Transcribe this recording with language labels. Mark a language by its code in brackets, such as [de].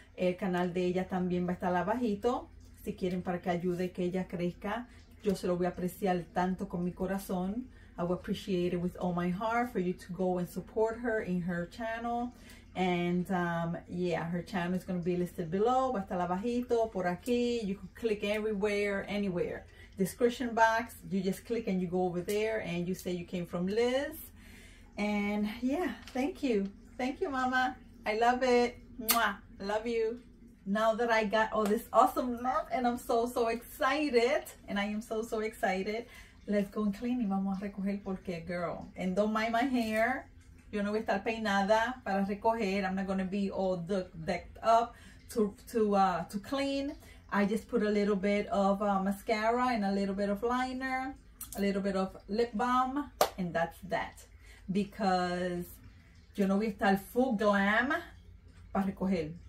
[es] El canal de ella también va a estar abajito. Si quieren para que ayude que ella crezca, yo se lo voy a apreciar tanto con mi corazón. [en] I will appreciate it with all my heart for you to go and support her in her channel. And yeah, her channel is going to be listed below. [es] Va a estar abajito, por aquí. [en] You can click everywhere, anywhere. Description box, you just click and you go over there and you say you came from Liz. And yeah, thank you. Thank you, mama. I love it. Mwah. Love you. Now that I got all this awesome love and I'm so, so excited. And I am so, so excited. Let's go and clean [es] y vamos a recoger porque, [en] girl. And don't mind my hair. [es] Yo no voy a estar peinada para recoger. [en] I'm not going to be all decked up to clean. I just put a little bit of mascara and a little bit of liner, a little bit of lip balm, and that's that. Because [es] yo no voy a estar full glam para recoger.